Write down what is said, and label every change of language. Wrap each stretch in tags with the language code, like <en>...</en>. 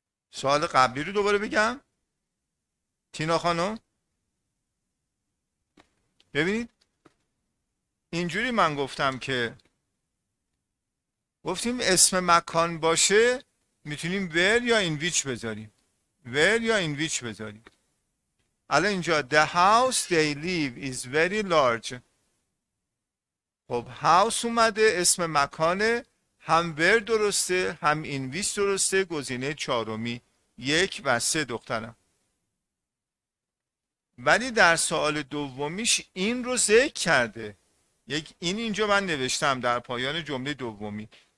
<fa>سوال قبلی رو دوباره بگم تینا خانم. ببینید اینجوری من گفتم که گفتیم اسم مکان باشه میتونیم ور یا این ویچ بذاریم، ور یا این ویچ بذاریم. الان اینجا</fa> <en>the house they live is very large.</en> <fa>خب house اومده اسم مکانه، هم where درسته هم in which درسته، گزینه چهارمی. یک و سه دخترم. ولی در سوال دومیش این رو ذکر کرده، یک این اینجا من نوشتم در پایان جمله دومی.</fa>